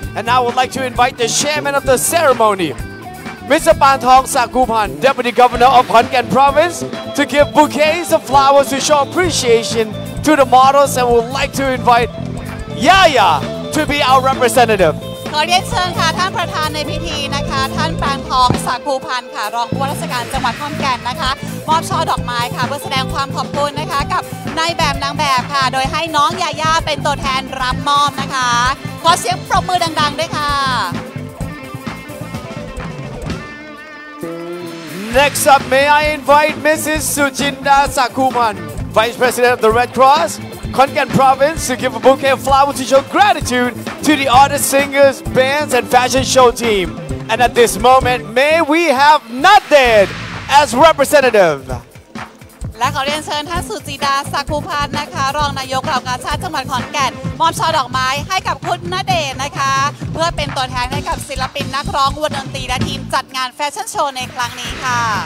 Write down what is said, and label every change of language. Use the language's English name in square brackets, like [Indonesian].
[English] And I would like to invite the chairman of the ceremony, Mr. Pan Thong Sakupan, Deputy Governor of Khon Kaen Province, to give bouquets of flowers to show appreciation to the models and would like to invite Yaya to be our representative. [Thai] ขอเรียนเชิญค่ะท่านประธานในพิธีนะคะท่านแปลงทองสักภูพันธ์ค่ะรองผู้ว่าราชการจังหวัดขอนแก่นนะคะมอบช่อดอกไม้ค่ะเพื่อแสดงความขอบคุณนะคะกับนายแบบนางแบบค่ะโดยให้น้องยาย่าเป็นตัวแทนรับมอบนะคะขอเสียงปรบมือดังๆด้วยค่ะ [English] Next up may I invite Mrs. Sujinda Sakupan Vice President of the Red CrossKhon Kaen Province to give a bouquet of flowers to show gratitude to the artists, singers, bands, and fashion show team. And at this moment, may we have Nathan as representative. [Thai] และขอเรียนเชิญท่านสุจินดาสักภูพันธ์นะคะรองนายกเหล่ากาชาดจังหวัดขอนแก่นมอบช่อดอกไม้ให้กับคุณณเดชนะคะเพื่อเป็นตัวแทนให้กับศิลปินนักร้องวงดนตรีและทีมจัดงานแฟชั่นโชว์ในครั้งนี้ค่ะ